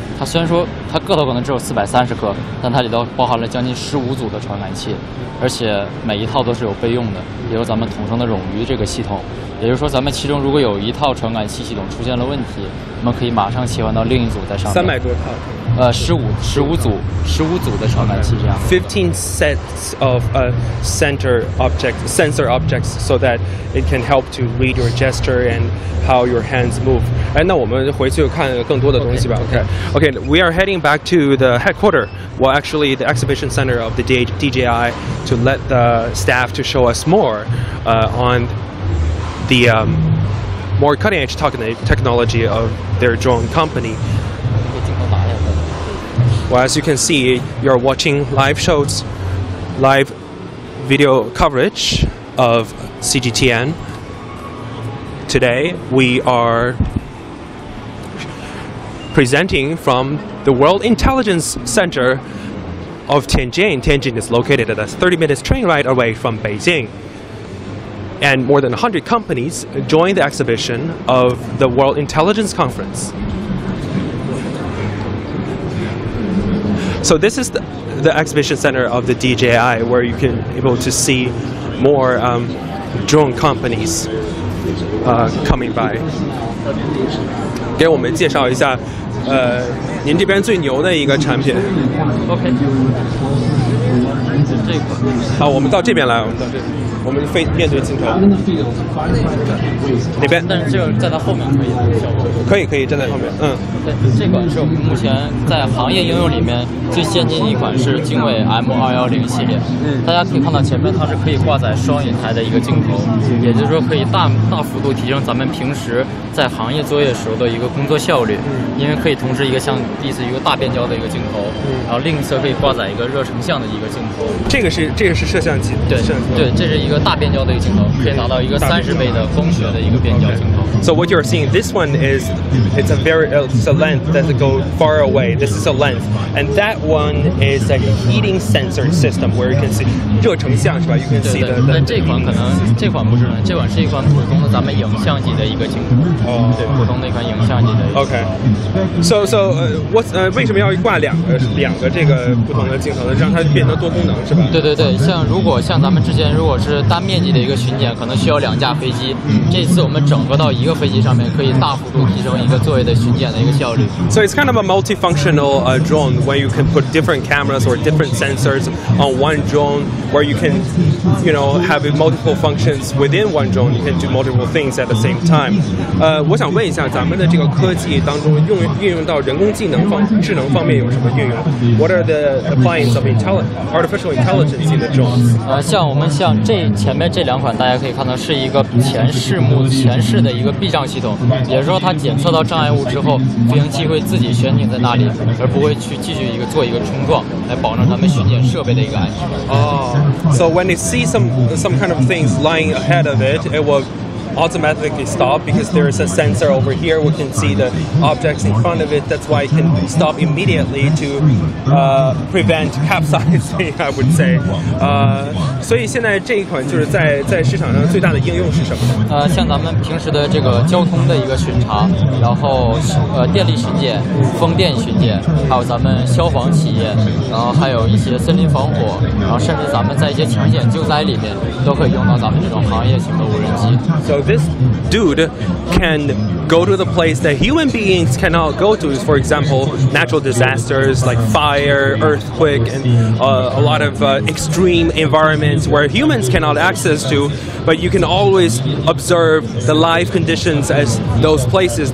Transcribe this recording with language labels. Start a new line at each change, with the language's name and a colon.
Chinese: 它虽然说它个头可能只有430克，但它里头包含了将近15组的传感器，而且每一套都是有备用的，比如咱们统称的冗余这个系统。也就是说，咱们其中如果有一套传感器系统出现了问题，我们可以马上切换到另一组在上面。 300多套。 15组的传感器这样。
English: 15 sets of sensor objects, so that it can help to read your gesture and how your hands move.
Chinese: 哎，那我们回去看更多的东西吧。
English: Okay, we are heading back to the headquarter. Well, actually, the exhibition center of the DJI to let the staff to show us more on the more cutting edge technology of their drone company. Well, as you can see, you're watching live shows, live video coverage of CGTN. Today, we are presenting from the World Intelligence Center of Tianjin. Tianjin is located at a 30-minute train ride away from Beijing. And more than 100 companies joined the exhibition of the World Intelligence Conference. So this is the exhibition center of the DJI, where you can able to see more drone companies coming by.
Chinese: 给我们介绍一下，您这边最牛的一个产品。 OK。 这好，我们到这边来，我们非面对镜头。哪边？但是这个在它后面可以效果。可以，站在后面。对，这款是我们目前在行业应用里面最先进的一款，是经纬 M210 系列。大家可以看到前面它是可以挂载双引台的一个镜头，也就是说可以大幅度提升咱们平时在行业作业时候的一个工作效率。因为可以同时一个像类似一个大变焦的一个镜头，然后另一侧可以挂载一个热成像的一个镜头。这个是摄像机。对，这是一个大变焦的一个镜头，可以达到一个30倍的光学的一个变焦镜头。
English: So what you're seeing, this one is, it's a very, it's a lens that goes far away. This is a lens. And that one is a heating sensor system where you can see
Chinese: 热成像是吧
English: ?You can see the
Chinese: 但这款可能这款不是呢，这款是一款普通的咱们影像级的一个镜头。对，普通的一款影像级的。
English: Okay. So, what's,
Chinese: 为什么要挂两个这个不同的镜头呢？让它变得多功能是吧？对，像如果像咱们之前如果是单面积的一个巡检，可能需要两架飞机，这次我们整合到一个飞机上面，可以大幅度提升一个座位的巡检的一个效率。
English: So it's kind of a multifunctional drone where you can put different cameras or different sensors on one drone where you can, you know, have multiple functions within one drone. You can do multiple things at the same time.
Chinese: 我想问一下咱们的这个科技当中运用到人工智能方面有什么运用？
English: What are the appliances of artificial intelligence in the drones?
Chinese: 像这前面这两款大家可以看到是一个前视的一个避障系统，也就是说它检测到障碍物之后，飞行器会自己悬停在那里，而不会去继续做一个冲撞，来保证咱们巡检设备的一个安全。
English: So when it sees some kind of things lying ahead of it, it will automatically stop because there is a sensor over here. We can see the objects in front of it. That's why it can stop immediately to prevent capsizing, I would say.
Chinese: 所以现在这一款就是在市场上最大的应用是什么呢？像咱们平时的这个交通的一个巡查，然后电力巡检、风电巡检，还有咱们消防企业，然后还有一些森林防火，然后甚至咱们在一些抢险救灾里面都可以用到咱们这种行业型的无人机。
English: So this dude can go to the place that human beings cannot go to. For example, natural disasters like fire, earthquake, and a lot of extreme environments where humans cannot access to. But you can always observe the life conditions as those places.